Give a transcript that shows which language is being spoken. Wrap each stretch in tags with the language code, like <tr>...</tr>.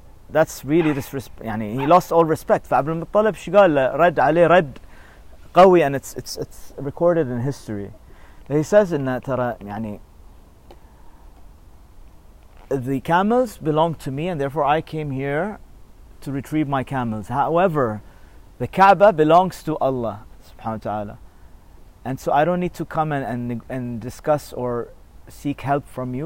<en>That's really disrespect.</en> <ar>يعني</ar> <en>he lost all respect.</en> <ar>فعبد المطلب شو قال له رد عليه رد قوي</ar> <en>and it's recorded in history. He says</en> <ar>إن ترى يعني</ar> <en>the camels belong to me and therefore I came here to retrieve my camels. However, the Kaaba belongs to Allah subhanahu wa ta'ala. And so I don't need to come and discuss or seek help from you.</en>